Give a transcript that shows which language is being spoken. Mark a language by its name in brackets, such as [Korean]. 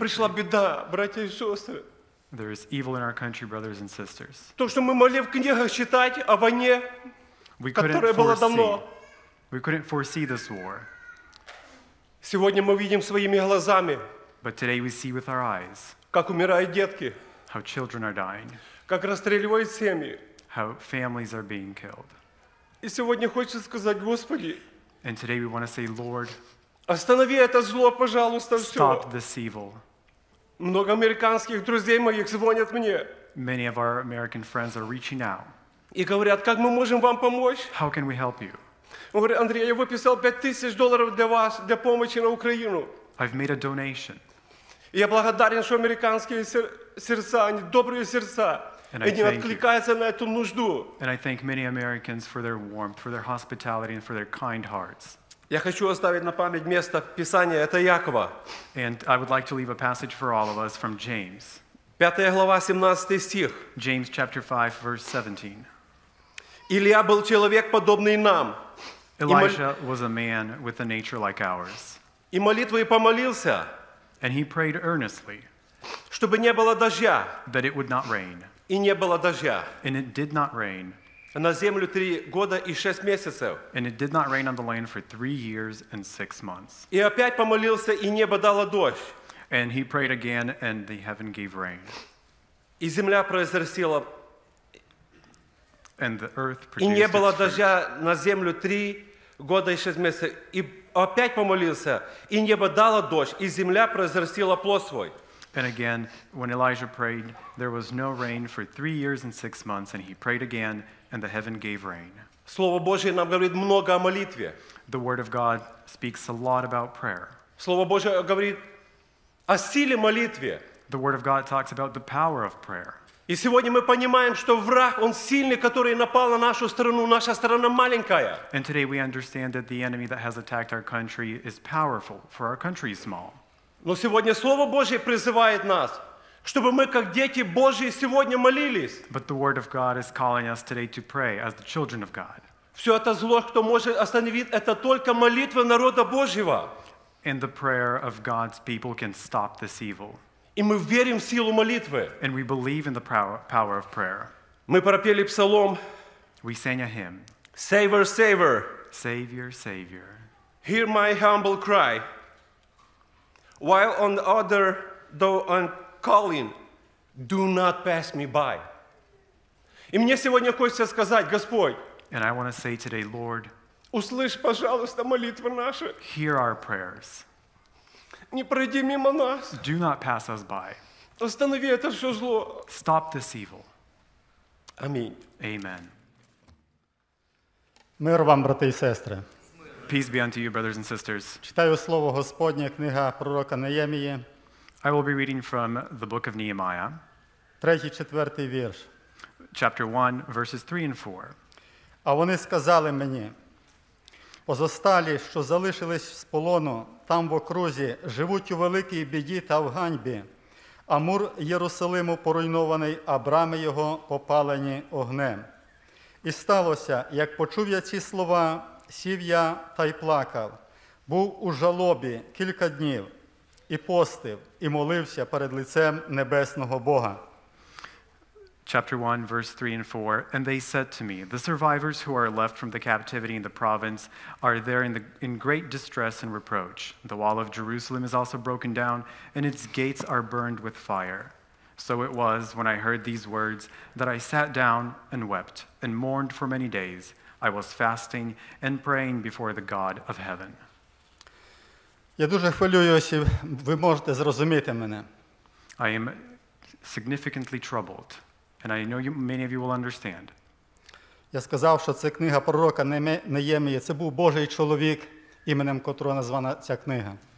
[Russian] Пришла беда, братья и сестры. [English] There is evil in our country, brothers and sisters. [Russian] То, что мы могли в книгах читать о войне, которая была давно. [English] We couldn't foresee this war. [Russian] Сегодня мы видим своими глазами. [English] But today we see with our eyes [Russian] как умирают детки, [English] how children are dying, [Russian] как расстреливают семьи, [English] how families are being killed. [Russian] И сегодня хочется сказать, Господи, [English] and today we want to say, Lord, [Russian] останови это зло, пожалуйста, все. [English] Stop this evil. [Russian] Много американских друзей моих звонят мне. [English] Many of our American friends are reaching out. [Russian] И говорят, как мы можем вам помочь? [English] How can we help you? [Russian] Он говорит, Андрей, я выписал $5,000 для вас, для помощи на Украину. [English] I've made a donation. [Russian] Я благодарен, что американские сердца, они добрые сердца, они откликаются на эту нужду. [English] And I thank many Americans for their warmth, for their hospitality, and for their kind hearts. [Russian] Я хочу оставить на память место Писания, это Якова. [English] And I would like to leave a passage for all of us from James. [Russian] 5 глава, 17 стих. [English] James chapter 5, verse 17. [Russian] Илия был человек, подобный нам. [English] Elijah was a man with a nature like ours. [Russian] и молитвой помолился, [English] and he prayed earnestly, [Russian] чтобы не было дождя, [English] that it would not rain, [Russian] и не было дождя, [English] and it did not rain, [Russian] на землю 3 года и 6 месяцев, [English] and it did not rain on the land for 3 years and 6 months, [Russian] и опять помолился, и небо дало дождь, [English] and he prayed again, and the heaven gave rain, [Russian] и земля произрастила, [English] and the earth produced, [Russian] и не было дождя на землю 3 года и 6 месяцев, и опять помолился, и небо дало дождь, и земля произрастила плод свой. [English] And again, when Elijah prayed, there was no rain for 3 years and 6 months, and he prayed again, and the heaven gave rain. [Russian] Слово Божие нам говорит много о молитве. [English] The word of God speaks a lot about prayer. [Russian] Слово Божие говорит о силе молитвы. [English] The word of God talks about the power of prayer. [Russian] И сегодня мы понимаем, что враг, он сильный, который напал на нашу страну. Наша страна маленькая. [English] And today we understand that the enemy that has attacked our country is powerful, for our country is small. [Russian] Но сегодня Слово Божие призывает нас, чтобы мы, как дети Божьи, сегодня молились. [English] But the word of God is calling us today to pray as the children of God. [Russian] Все это зло, кто может остановить, это только молитва народа Божьего. [English] And the prayer of God's people can stop this evil. [Russian] И мы верим в силу молитвы. [English] And we believe in the power of prayer. [Russian] Мы пропели псалом. [English] We sang a hymn. Savior, Savior. Savior, Savior. Hear my humble cry. While on the other though I'm calling, do not pass me by. [Russian] И мне сегодня хочется сказать, Господь. [English] And I want to say today, Lord. [Russian] Услышь, пожалуйста, молитвы наши. [English] Hear our prayers. [Russian] Не пройди мимо нас. [English] Do not pass us by. [Russian] Останови это все зло. [English] Stop this evil. [Russian] Аминь. [English] Amen. [Ukrainian] Мир вам, брати і сестри. [English] Peace be unto you, brothers and sisters. [Ukrainian] Читаю слово Господнє, книга пророка Неємії. [English] I will be reading from the book of Nehemiah. [Ukrainian] 3-4 вірш. [English] Chapter 1, verses 3 and 4. [Ukrainian] А вони сказали мені, позосталі, що залишились з полону, там в окрузі, живуть у великій біді та в ганьбі. А мур Єрусалиму поруйнований, а брами його попалені огнем. І сталося, як почув я ці слова, сів я та й плакав. Був у жалобі кілька днів, і постив, і молився перед лицем Небесного Бога. [English] Chapter 1, verse 3 and 4. And they said to me, the survivors who are left from the captivity in the province are there in great distress and reproach. The wall of Jerusalem is also broken down, and its gates are burned with fire. So it was, when I heard these words, that I sat down and wept and mourned for many days. I was fasting and praying before the God of heaven. [Ukrainian] Я дуже хвилююсь, і ви можете зрозуміти мене. [English] I am significantly troubled. And I know many of you will understand. [Ukrainian] Я сказав, що це книга пророка Неємії. Це був Божий чоловік, іменем котрого названа ця книга.